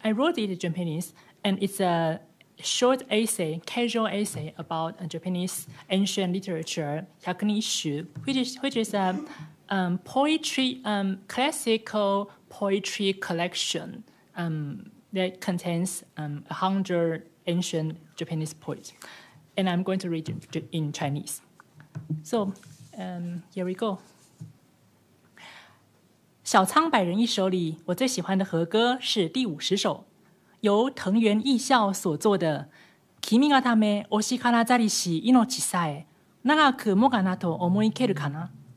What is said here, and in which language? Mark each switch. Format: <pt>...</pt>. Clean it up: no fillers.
<en>I wrote it in Japanese, and it's a short essay, casual essay about Japanese ancient literature, Hyakunishu, which is a classical poetry collection that contains 100 ancient Japanese poets. And I'm going to read it in Chinese. So here we go.</en> <zh>小仓百人一首里，我最喜欢的和歌是第五十首。由藤原义孝所作的</zh> <ja>《君がため推しからざりし命さえ長くもがなと思いけるかな》。</ja>